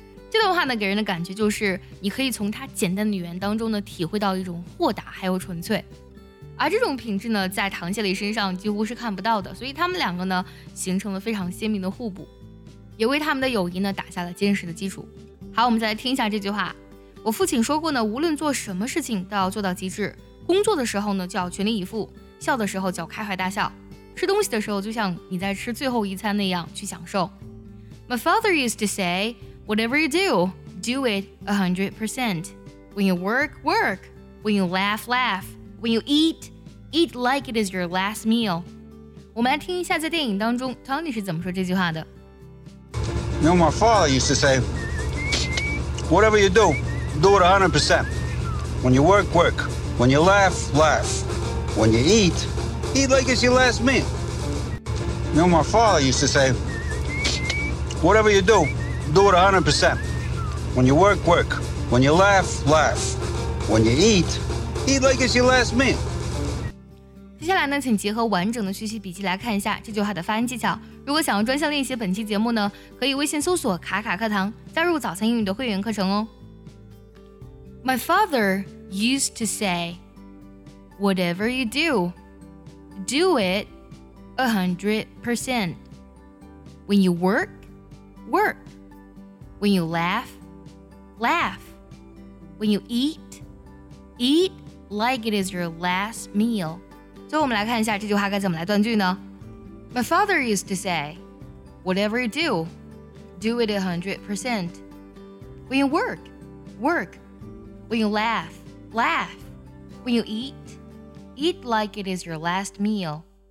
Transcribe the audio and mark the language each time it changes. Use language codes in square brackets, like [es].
[zh] 这段话呢给人的感觉就是你可以从他简单的语言当中呢体会到一种豁达还有纯粹，而这种品质呢在唐谢利身上几乎是看不到的，所以他们两个呢形成了非常鲜明的互补，也为他们的友谊呢打下了坚实的基础。好，我们再来听一下这句话。我父亲说过呢，无论做什么事情都要做到极致，工作的时候呢就要全力以赴，笑的时候就要开怀大笑，吃东西的时候就像你在吃最后一餐那样去享受。 [en] My father used to say, Whatever you do, do it 100%. When you work, work. When you laugh, laugh. When you eat, eat like it is your last meal. [zh] 我们来听一下在电影当中 Tony 是怎么说这句话的。 [en] You know, my father used to say, whatever you do, do it 100%. When you work, work. When you laugh, laugh. When you eat, eat like it's your last meal. You know, my father used to say, whatever you do, do it 100%. When you work, work. When you laugh, laugh. When you eat, eat like it's your last meal. [zh] 接下来呢，请结合完整的学习笔记来看一下这句话的发音技巧。如果想要专项练习本期节目呢，可以微信搜索卡卡课堂，加入早餐英语的会员课程哦。 [en] My father used to say, Whatever you do, do it 100%. When you work, work. When you laugh, laugh. When you eat, eat like it is your last meal. [zh] 最后我们来看一下这句话该怎么来断句呢？ [en] My father used to say, whatever you do, do it 100%. When you work, work. When you laugh, laugh. When you eat, eat like it is your last meal.